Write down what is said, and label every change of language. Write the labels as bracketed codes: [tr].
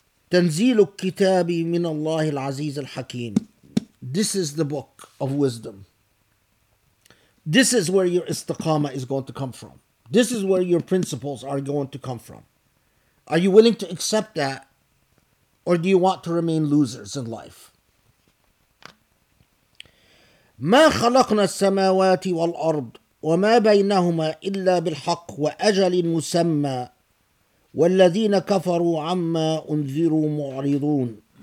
[ar] تنزيل الكتاب من الله العزيز الحكيم. [en] This is the book of wisdom. This is where your istiqama is going to come from. This is where your principles are going to come from. Are you willing to accept that? Or do you want to remain losers in life? [ar] ما خلقنا السماوات والأرض وما بينهما إلا بالحق وأجل مسمى والذين كفروا عما أنذروا معرضون.